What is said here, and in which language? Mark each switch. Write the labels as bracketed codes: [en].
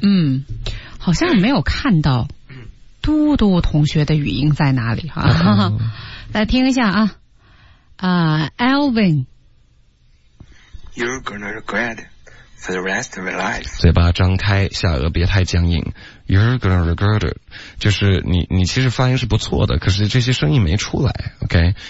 [zh] 嗯，好像没有看到嘟嘟同学的语音在哪里啊、来听一下啊，Alvin. [en] You're gonna regret for the rest of your life. [zh] 嘴巴张开，下颚别太僵硬。 [en] You're gonna regret it. [zh] 就是你其实发音是不错的，可是这些声音没出来 ,OK?